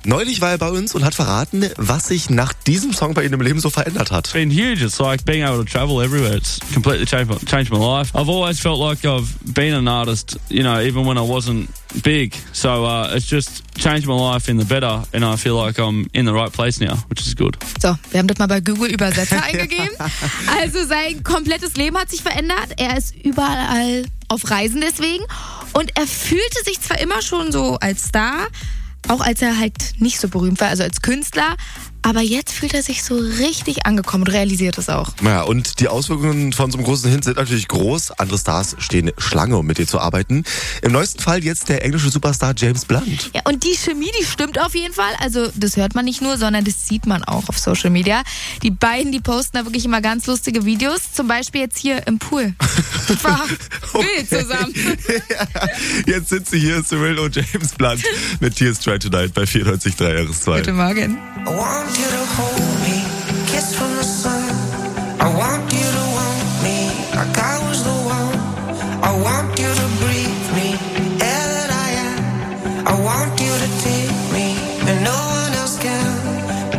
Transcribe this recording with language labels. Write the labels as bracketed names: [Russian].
[German] Neulich war er bei uns und hat verraten, was sich nach diesem Song bei Ihnen im Leben so verändert hat. [English] It's been huge. It's like being able to travel everywhere. It's completely changed my life. I've always felt like I've been an artist, you know, even when I wasn't big. So it's just changed my life in the better and I feel like I'm in the right place now, which is good. [German] So, wir haben das mal bei Google Übersetzer eingegeben. Also sein komplettes Leben hat sich verändert. Er ist überall auf Reisen deswegen. Und er fühlte sich zwar immer schon so als Star, auch als er halt nicht so berühmt war, also als Künstler, aber jetzt fühlt er sich so richtig angekommen und realisiert es auch. Naja, und die Auswirkungen von so einem großen Hit sind natürlich groß. Andere Stars stehen Schlange, um mit dir zu arbeiten. Im neuesten Fall jetzt der englische Superstar James Blunt. Ja, und die Chemie, die stimmt auf jeden Fall. Also das hört man nicht nur, sondern das sieht man auch auf Social Media. Die beiden, die posten da wirklich immer ganz lustige Videos. Zum Beispiel jetzt hier im Pool. Okay. Wild zusammen. Ja, jetzt sitzen hier Cyril und James Blunt mit Tears Try Tonight bei 94.3 RS2. Guten Morgen. [English] I want you to hold me, kiss from the sun. I want you to want me, like I was the one. I want you to breathe me, air that I am. I want you to take me, and no one else can.